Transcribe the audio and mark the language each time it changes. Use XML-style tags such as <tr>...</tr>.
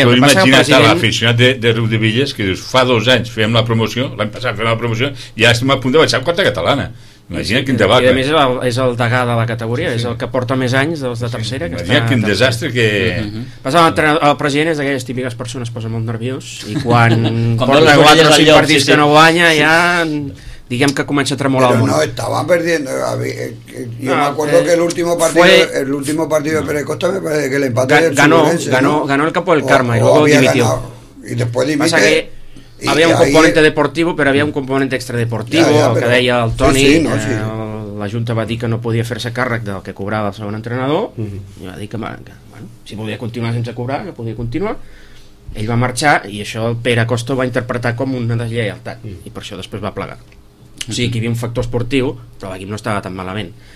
<ca>Tu imagina't l'aficionat de Riudevilles que dius, fa 2 anys fèiem la promoció, l'any passat fèiem la promoció, i ara estem a punt de baixar en quarta catalana. Imagina quin debacle. I a més és el degà de la categoria, sí, sí. És el que porta més anys dels de tercera. Sí, sí. Imagina quin desastre que... Passava el president és d'aquelles típiques persones que posa molt nerviós i quan porta 4 o 5 partits que no guanya, sí, ja... Diguem que comença a tremolar.</ca> <es>Però no, estaban perdiendo. Yo me acuerdo que el último partido de Pérez Costa me parece que el empate ganó el capo del Karma y luego dimitió. Y después dimitió. Pasa que había un componente deportivo, pero había un componente extradeportivo, el</es> <ca>que deia</ca> <es>el Toni. Sí, sí, no, sí.</es> <ca>La Junta va dir que no podia fer-se càrrec del que cobrava el segon entrenador. Mm-hmm. I va dir que bueno, si volia continuar sense cobrar, que podia continuar. Ell va marxar i això el Pere Costa ho va interpretar com una deslleialtat. Mm-hmm. I per això després va plegar. O sigui, aquí hi havia un factor esportiu, però l'equip no estava tan malament.</ca>